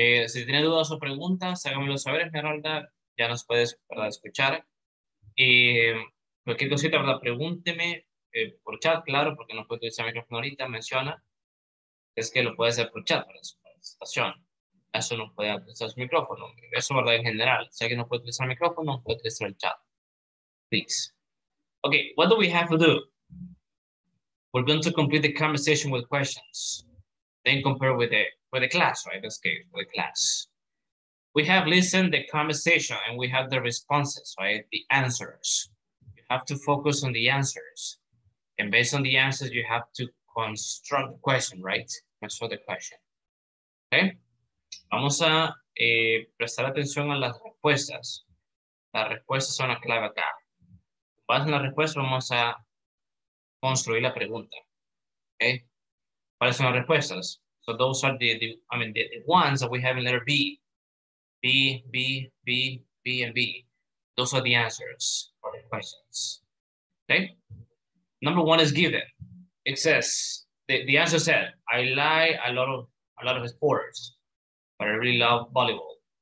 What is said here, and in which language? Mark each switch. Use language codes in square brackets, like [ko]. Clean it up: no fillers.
[es] Si tiene dudas o preguntas, háganmelo saber, Esmeralda. Ya nos puedes escuchar. Cualquier cosita, ¿verdad? Pregúnteme por chat, claro, porque no puedo utilizar el micrófono ahorita, menciona. Es que lo puede hacer por chat, por su presentación. Eso no puede utilizar su micrófono. Eso, ¿verdad? En general, si alguien no puede utilizar el micrófono, puede utilizar el chat. [en] Please. Okay, what do we have to do? We're going to complete the conversation with questions. Then compare with the class, right? That's okay, for the class. We have listened the conversation and we have the responses, right? The answers. You have to focus on the answers. And based on the answers, you have to construct the question, right? Construct the question. Okay? [es] Vamos a prestar atención a las respuestas. Las respuestas son la clave acá. Basado en la respuesta, vamos a construir la pregunta. Okay? ¿Cuáles son las respuestas? [en] So those are the ones that we have in letter B. B, B, B, B, and B. Those are the answers for the questions. Okay? Number one is given. It says, the answer said, I like a lot of sports, but I really love volleyball.